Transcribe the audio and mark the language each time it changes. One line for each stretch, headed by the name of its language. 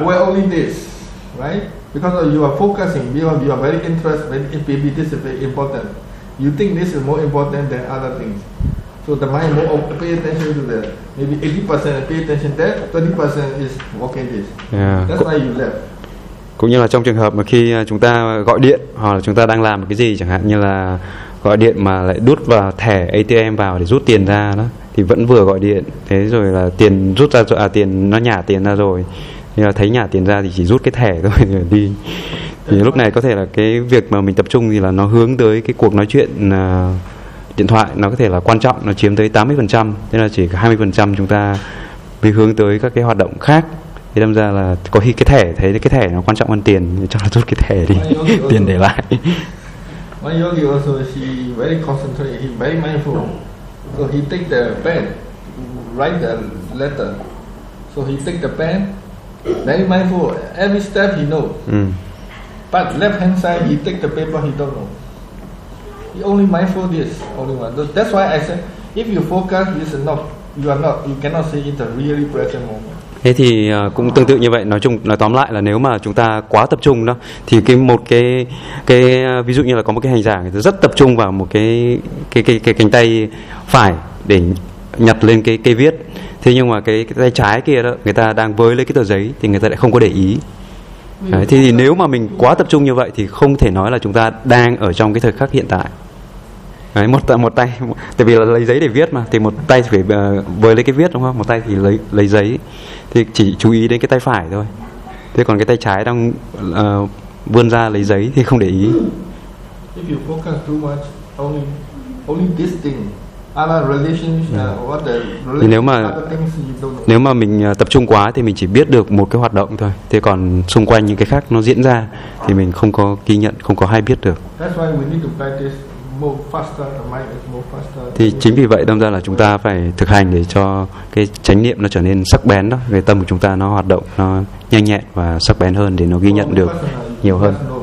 English: Aware only this. Right? Because you are focusing, you are very interested, maybe this is very important. You think this is more important than other things. So the mind more pay attention to that. Maybe 80% pay attention to that, 20% is walking this. Yeah. That's why you left.
Vietnamese: Cũng như là trong trường hợp mà khi chúng ta gọi điện hoặc là chúng ta đang làm cái gì chẳng hạn, như là gọi điện mà lại đút vào thẻ ATM vào để rút tiền ra đó, thì vẫn vừa gọi điện, thế rồi là tiền rút ra rồi, tiền nó nhả tiền ra rồi, nhưng mà thấy nhả tiền ra thì chỉ rút cái thẻ thôi rồi đi. Thì lúc này có thể là cái việc mà mình tập trung thì là nó hướng tới cái cuộc nói chuyện điện thoại, nó có thể là quan trọng, nó chiếm tới 80%, thế là chỉ 20% chúng ta mới hướng tới các cái hoạt động khác. Thì đâm ra là có khi cái thẻ, thấy cái thẻ nó quan trọng hơn tiền, cho nó rút cái thẻ đi, tiền để lại.
English: My yogi also, he very concentrated, he very mindful. So he take the pen, write the letter. So he take the pen, very mindful, every step he know. But left hand side, he take the paper, he don't know. only mindful this, only one. That's why I said, if you focus, it's not, you are not, you cannot see it a really present moment.
Vietnamese: Thế thì cũng tương tự như vậy, nói chung nói tóm lại là nếu mà chúng ta quá tập trung đó thì cái một cái ví dụ như là có một cái hành giả rất tập trung vào một cái cánh tay phải để nhặt lên cái cây viết, thế nhưng mà cái tay trái kia đó người ta đang với lấy cái tờ giấy thì người ta lại không có để ý. Đấy, thì nếu mà mình quá tập trung như vậy thì không thể nói là chúng ta đang ở trong cái thời khắc hiện tại. Đấy, một tay, tại vì là lấy giấy để viết mà, thì một tay phải với lấy cái viết đúng không, một tay thì lấy giấy, thì chỉ chú ý đến cái tay phải thôi, thế còn cái tay trái đang vươn ra lấy giấy thì không để ý.
English: If you focus too much, only this thing, other relations, what the relations,
Vietnamese: nếu mà
English: other things you don't know.
Vietnamese: Nếu mà mình tập trung quá thì mình chỉ biết được một cái hoạt động thôi, thế còn xung quanh những cái khác nó diễn ra thì mình không có ghi nhận, không có hay biết được.
English: That's why we need to practice. Move faster, the mind is move faster.
Vietnamese: Thì chính vì vậy đâm ra là chúng ta phải thực hành để cho cái chánh niệm nó trở nên sắc bén đó, cái tâm của chúng ta nó hoạt động nó nhanh nhẹn và sắc bén hơn để nó ghi nhận được nhiều hơn.